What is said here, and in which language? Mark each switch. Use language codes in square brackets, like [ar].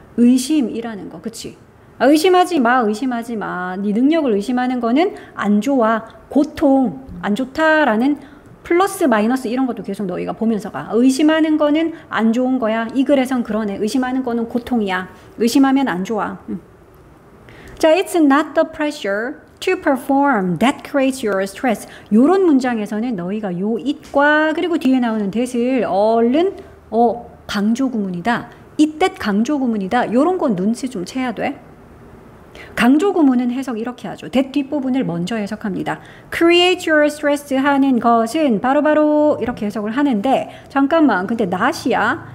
[ko] 의심이라는 거. 그치? 아, 의심하지 마, 의심하지 마. 네 능력을 의심하는 거는 안 좋아. 고통, 안 좋다라는 플러스 마이너스 이런 것도 계속 너희가 보면서 가. 의심하는 거는 안 좋은 거야. 이 글에선 그러네. 의심하는 거는 고통이야. 의심하면 안 좋아. [en] 자, it's not the pressure to perform that creates your stress. [ko] 요런 문장에서는 너희가 요 it과 그리고 뒤에 나오는 that을 얼른 강조구문이다. it that 강조구문이다. 요런 건 눈치 좀 채야 돼. 강조구문은 해석 이렇게 하죠. that 뒷부분을 먼저 해석합니다. [en] Create your stress [ko] 하는 것은 바로바로 이렇게 해석을 하는데, 잠깐만, 근데 not이야.